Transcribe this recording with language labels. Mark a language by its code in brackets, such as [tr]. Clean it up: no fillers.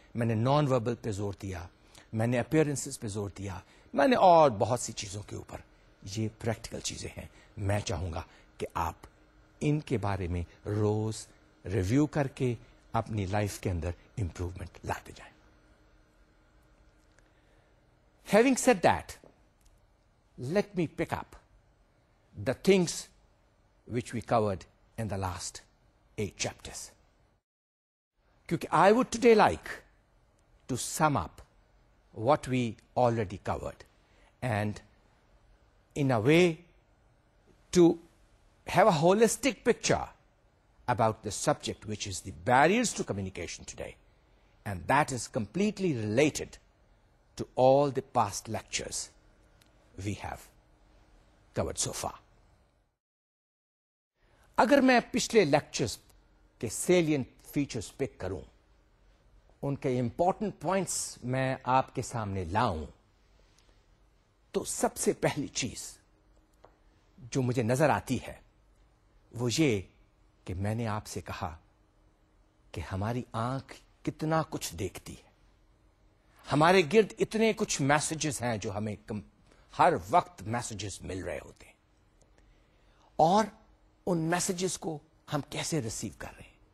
[ur] میں نے non verbal پہ زور دیا, میں نے اپیئرنسز پہ زور دیا, میں نے اور بہت سی چیزوں کے اوپر. یہ پریکٹیکل چیزیں ہیں, میں چاہوں گا کہ آپ ان کے بارے میں روز ریویو کر کے اپنی لائف کے اندر امپروومنٹ لاتے جائیں. [en] Having said that, let me pick up the things which we covered in the last 8 chapters. I would today like to sum up what we already covered and in a way to have a holistic picture about the subject which is the barriers to communication today, and that is completely related to all the past lectures we have covered so far. [ur] اگر میں پچھلے lectures کے salient features پک کروں, ان کے important points میں آپ کے سامنے لاؤں, تو سب سے پہلی چیز جو مجھے نظر آتی ہے وہ یہ کہ میں نے آپ سے کہا کہ ہماری آنکھ کتنا کچھ دیکھتی ہے, ہمارے گرد اتنے کچھ میسجز ہیں جو ہمیں ہر وقت میسجز مل رہے ہوتے ہیں, اور ان میسجز کو ہم کیسے ریسیو کر رہے ہیں.